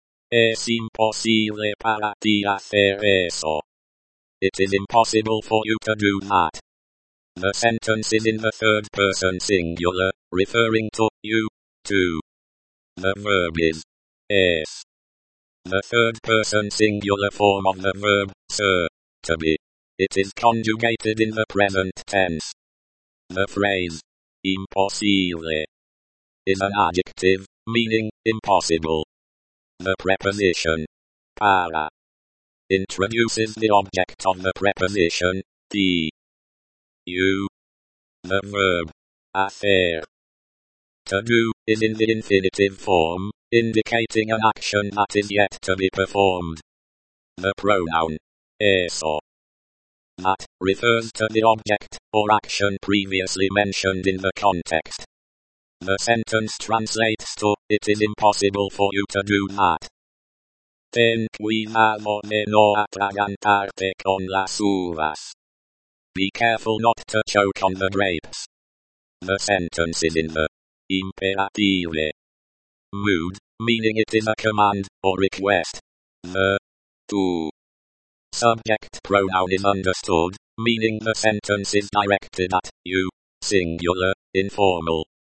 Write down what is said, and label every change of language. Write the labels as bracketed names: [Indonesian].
[Spanish] Es imposible para ti hacer eso. [English] It is impossible for you to do that. The sentence is in the third person singular, referring to you, to. The verb is es. The third person singular form of the verb ser, to be. It is conjugated in the present tense. The phrase imposible is an adjective, meaning impossible. The preposition para introduces the object of the preposition, the. You. The verb hacer. To do is in the infinitive form, indicating an action that is yet to be performed. The pronoun eso. That refers to the object or action previously mentioned in the context. The sentence translates to, it is impossible for you to do that. [Spanish] Ten cuidado de no atragantarte con las uvas. [English] Be careful not to choke on the grapes. The sentence is in the imperative mood, meaning it is a command or request. The tu subject pronoun is understood, meaning the sentence is directed at you, singular, informal.